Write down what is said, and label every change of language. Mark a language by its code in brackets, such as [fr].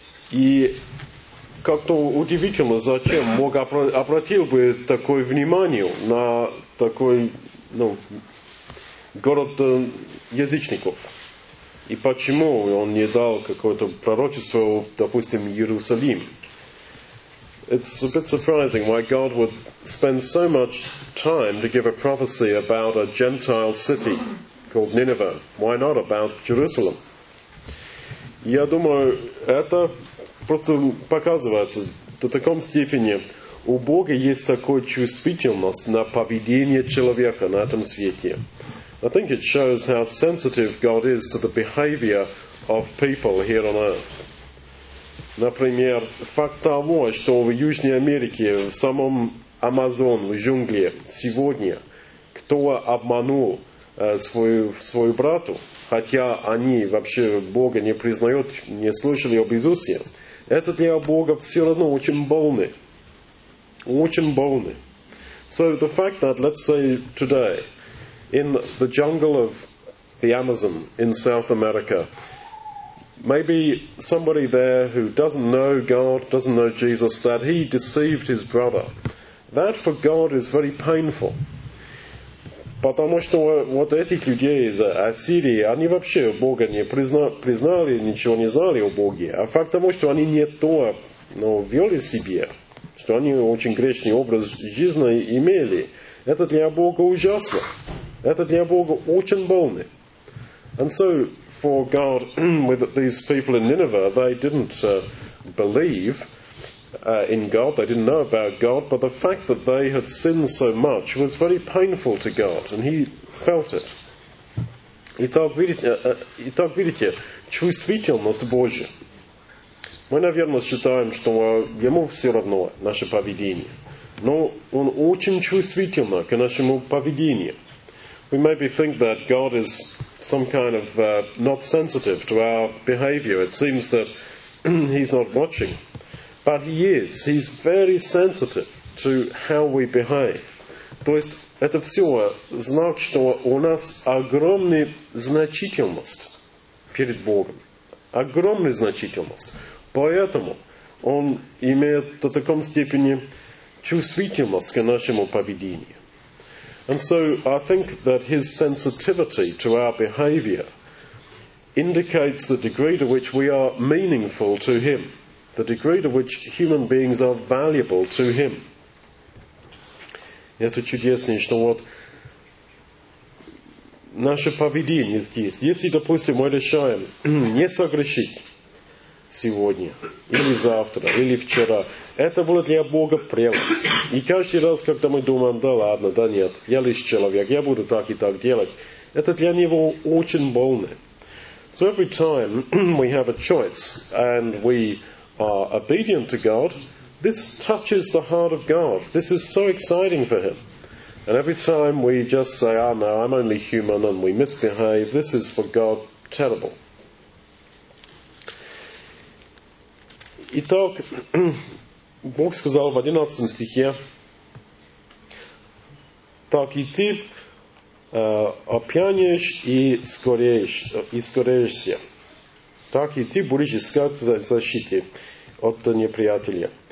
[ru] И как-то удивительно, зачем Бог обратил бы такое внимание на такой, ну, город язычников. И почему он не дал какое-то пророчество, допустим, Иерусалим? [en] It's a bit surprising why God would spend so much time to give a prophecy about a Gentile city called Nineveh. Why not about Jerusalem? [ru] Я думаю, это просто показывается до такой степени. У Бога есть такая чувствительность на поведение человека на этом свете. [en] I think it shows how sensitive God is to the behavior of people here on earth. [ru] Например, факт того, что в Южной Америке, в самом Амазон, в джунгле, сегодня, кто обманул свою брату, хотя они вообще Бога не признают, не слышали об Иисусе, это для Бога все равно очень больно. Очень больно. [en] So the fact that, let's say, today, in the jungle of the Amazon in South America, maybe somebody there who doesn't know God, doesn't know Jesus, that he deceived his brother. That for God is very painful. [ru] Потому что вот этих людей из Ассирии, они вообще Бога не признали, ничего не знали о Боге. А факт того, что они не то, но вели себе, что они очень грешный образ жизни имели, это для Бога ужасно. Это для Бога очень больно. [en] And so, for God, with these people in Nineveh, they didn't believe in God, they didn't know about God, but the fact that they had sinned so much was very painful to God, and he felt it. [ru] Итак, видите, чувствительность Божья. Мы, наверное, считаем, что ему все равно наше поведение. Но он очень чувствительный к нашему поведению. [en] We maybe think that God is some kind of not sensitive to our behavior. It seems that he's not watching. But he is. He's very sensitive to how we behave. [ru] То есть, это все знак, что у нас огромная значительность перед Богом. Огромная значительность. Поэтому он имеет до такой степени чувствительность к нашему поведению. [en] And so I think that his sensitivity to our behavior indicates the degree to which we are meaningful to him, the degree to which human beings are valuable to him. [ru] Это чудесно, что вот наше поведение здесь. Если, допустим, мы решаем не согрешить сегодня, или завтра, или вчера, это было для Бога прелесть. И каждый раз, когда мы думаем, да ладно, да нет, я лишь человек, я буду так и так делать, это для него очень больно. [en] So every time we have a choice and we are obedient to God, this touches the heart of God. This is so exciting for him. And every time we just say, ah, no, I'm only human and we misbehave, this is for God terrible. [ru] Итак, Бог сказал в 11 стихе, так и ты опьянеешь и скореешься. Так и ты будешь искать защиты от неприятеля.